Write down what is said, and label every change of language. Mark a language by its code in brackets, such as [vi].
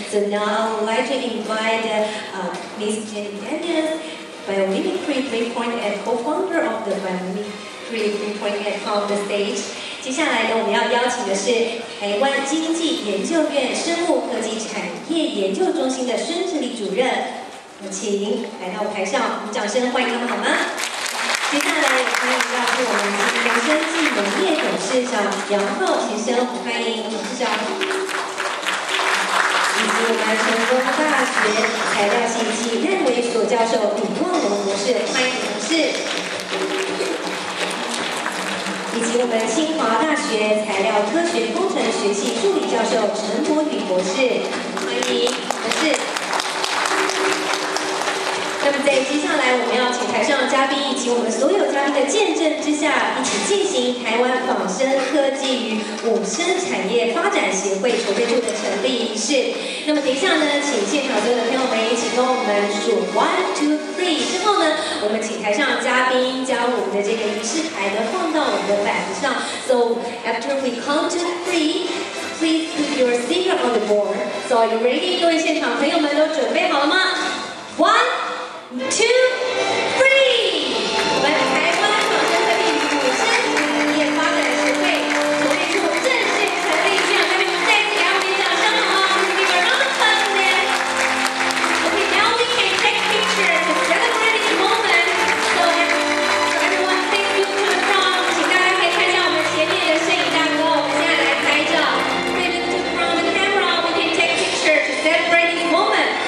[en] So now I'd like to invite Miss Jenny Quenius, Biomimicry 3.8 and co-founder of the Biomimicry 3.8 on the stage. [zh] 接下来呢，我们要邀请的是台湾经济研究院生物科技产业研究中心的孙志礼主任，我们请来到台上，我们掌声欢迎他们好吗？接下来欢迎到是我们今天的生技农业董事长杨浩先生，欢迎董事长。以及我们成功大学材料系暨认为所教授李墨龙博士，欢迎董事。以及我们清华大学材料科学工程学系助理教授陈博宇博士，欢迎博士。那么在接下来，我们要请台上的嘉宾以及我们所有嘉宾的见证之下，一起进行台湾仿生科技与武生产业发展协会筹备处的成立仪式。那么等一下呢，请现场所有的朋友们一起跟我们数 1, 2, 3 之后呢，我们请台上的嘉宾将我们的这个仪式牌呢放到我们的板子上。 [en] So after we count to three, please put your sticker on the board. So are you ready? [zh] 各位现场朋友们都准备好了吗？ [en] One, two, three! [zh] 我们台湾仿生科技与武生产业发展协会筹备处正式成立，现场嘉宾再次给我们掌声好吗？给我们 [en] round of applause. Okay, now we can take pictures together for this moment. So everyone, thank you for the front. [zh] 请大家可以看一下我们前面的摄影大哥，我们现在来拍照。 [en] Please look from the camera. We can take pictures to celebrate this moment.